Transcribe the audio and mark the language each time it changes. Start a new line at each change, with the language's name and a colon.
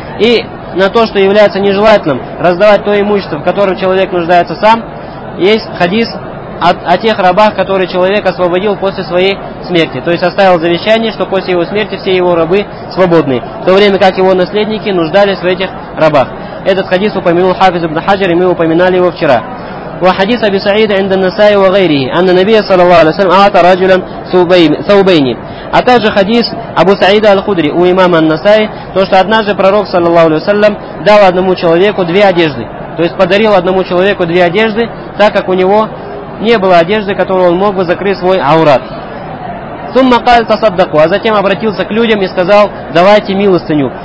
Russian: И на то, что является нежелательным раздавать то имущество, в котором человек нуждается сам, есть хадис о тех рабах, которые человек освободил после своей смерти. То есть оставил завещание, что после его смерти все его рабы свободны, в то время как его наследники нуждались в этих рабах. Этот хадис упомянул Хафиз ибн Хаджар, и мы упоминали его вчера.
Arabic: وحديث أبي سعيد عند النسائي وغيره أن النبي صلى الله عليه وسلم أعطى رجلا ثوبين.
Russian: А также хадис Абу Саида аль-Худри у имама ан-Насаи, то что однажды пророк, саллаллаху алейхи ва саллям, дал одному человеку две одежды. То есть подарил одному человеку две одежды, так как у него не было одежды, которую он мог бы закрыть свой аурат.
Arabic: Сумма каль тасаддаку,
Russian: а затем обратился к людям и сказал: давайте милостыню.